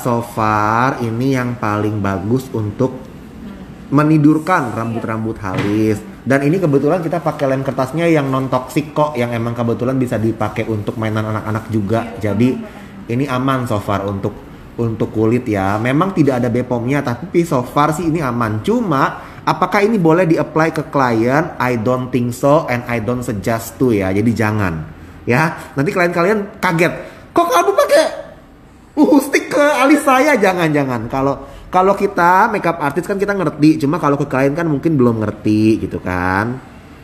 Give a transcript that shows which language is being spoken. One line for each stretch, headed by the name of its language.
English: So far,
Indonesian: ini yang paling bagus untuk menidurkan rambut-rambut halus. Dan ini kebetulan kita pakai lem kertasnya yang non toksik kok, yang emang kebetulan bisa dipakai untuk mainan anak-anak juga. Jadi ini aman
English: so far
Indonesian: untuk kulit ya. Memang tidak ada BPOM-nya, tapi
English: so far
Indonesian: sih ini aman. Cuma apakah ini boleh di-apply ke klien?
English: I don't think so and I don't suggest to ya.
Indonesian: Jadi jangan ya. Nanti klien kalian kaget. Kok kamu pakai stick ke alis saya? Jangan-jangan. Kalau kita makeup artist kan kita ngerti, cuma kalau ke klien kan mungkin belum ngerti gitu kan.